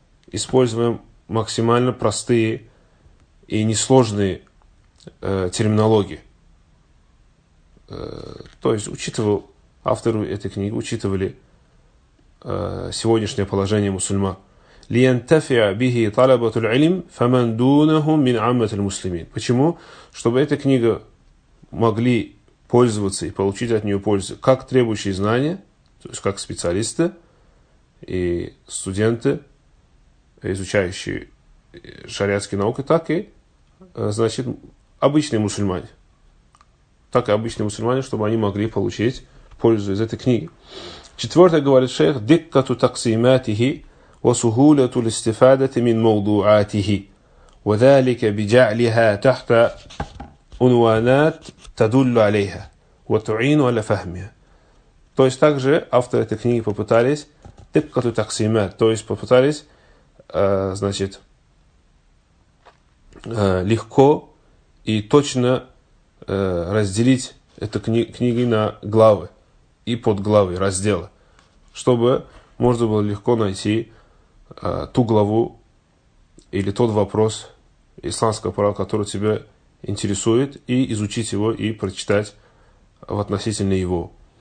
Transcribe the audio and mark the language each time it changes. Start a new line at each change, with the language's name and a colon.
Russian: Используем максимально простые и несложные терминологии. То есть, авторы этой книги учитывали сегодняшнее положение мусульман.
Arabic: لينتفع به طلبة العلم فمن دونهم من عامة المسلمين.
Russian: Почему? Чтобы эта книга могли пользоваться и получить от нее пользу как требующие знания, то есть как специалисты и студенты, изучающие шариатские науки, так и, значит, обычные мусульмане. Так и обычные мусульмане, чтобы они могли получить пользу из этой книги. Четвертое говорит шейх,
Arabic: диккату таксиматихи وَسُهُولَةُ الْاِسْتِفَادَةِ مِنْ مَوْضُوعَاتِهِ وَذَلِكَ بِجَعْلِهَا تَحْتَ عُنْوَانَات تَدُلُّ عَلَيْهَا وَتُعِينُ عَلَى فَهْمِهَا.
Russian: То есть также авторы этой книги попытались тыккату таксимат, то есть попытались, значит, легко и точно разделить эту книгу на главы и подглавы, разделы, чтобы можно было легко найти ту главу или тот вопрос исламского права, который тебя интересует, и изучить его, и прочитать в относительно его.